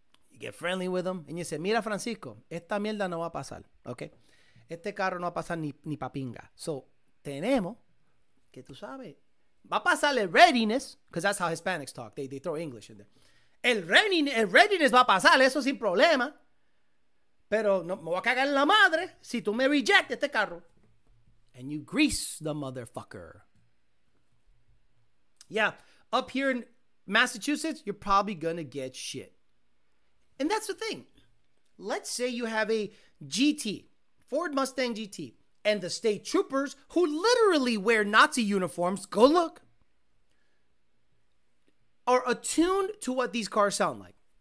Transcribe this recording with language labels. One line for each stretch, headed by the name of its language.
English: You get friendly with him. And you say,
Spanish: mira, Francisco, esta mierda no va a pasar. Okay. Este carro no va a pasar ni papinga. So, tenemos que tú sabes. Va a pasar el readiness,
English: because that's how Hispanics talk. They throw English in there.
Spanish: El readiness va a pasar, eso sin problema. Pero no, me voy a cagar en la madre si tú me reject este carro.
English: And you grease the motherfucker. Yeah, up here in Massachusetts, you're probably going to get shit. And that's the thing. Let's say you have a GT, Ford Mustang GT. And the state troopers, who literally wear Nazi uniforms, go look, are attuned to what these cars sound like.